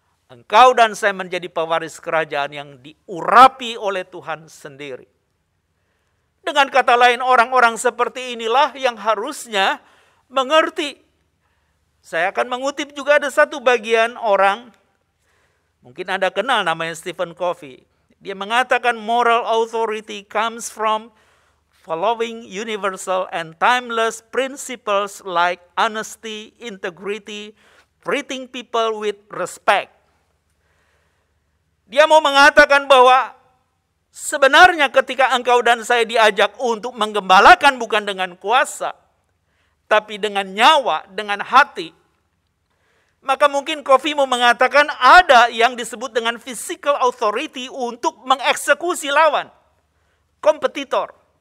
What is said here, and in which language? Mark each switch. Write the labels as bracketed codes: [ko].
[id] Engkau dan saya menjadi pewaris kerajaan yang diurapi oleh Tuhan sendiri. Dengan kata lain, orang-orang seperti inilah yang harusnya mengerti. Saya akan mengutip juga ada satu bagian orang, mungkin Anda kenal namanya Stephen Covey. Dia mengatakan [en] moral authority comes from following universal and timeless principles like honesty, integrity, treating people with respect. [id] Dia mau mengatakan bahwa sebenarnya ketika engkau dan saya diajak untuk menggembalakan bukan dengan kuasa, tapi dengan nyawa, dengan hati, maka mungkin Covey mau mengatakan ada yang disebut dengan physical authority untuk mengeksekusi lawan, kompetitor.